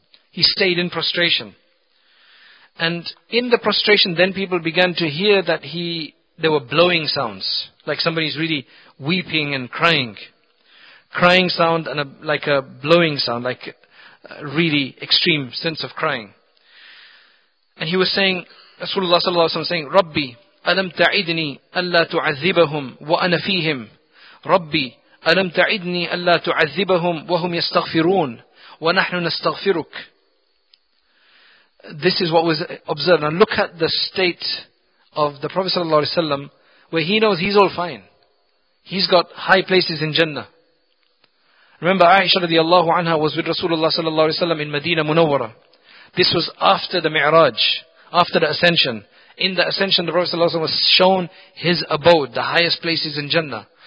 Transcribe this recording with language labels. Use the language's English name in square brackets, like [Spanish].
[English] He stayed in prostration. And in the prostration, then people began to hear that there were blowing sounds, like somebody's really weeping and crying. Crying sound and like a blowing sound, like a really extreme sense of crying. And he was saying, Rasulullah sallallahu alaihi wasallam saying, Rabbi, [Arabic] أَلَمْ تَعِدْنِي أَلَّا تُعَذِّبَهُمْ وَأَنَا فِيهِمْ رَبِّي أَلَمْ تَعِدْنِي أَلَّا تُعَذِّبَهُمْ وَهُمْ يَسْتَغْفِرُونَ وَنَحْنُ نَسْتَغْفِرُكَ. [English] This is what was observed. Now look at the state of the Prophet sallallahu alaihi wasallam, where he knows he's all fine. He's got high places in Jannah. Remember, Aisha radiallahu anha was with Rasulullah sallallahu alaihi wasallam in Medina Munawwara. This was after the Mi'raj, after the Ascension. In the ascension, the Prophet ﷺ was shown his abode, the highest places in Jannah.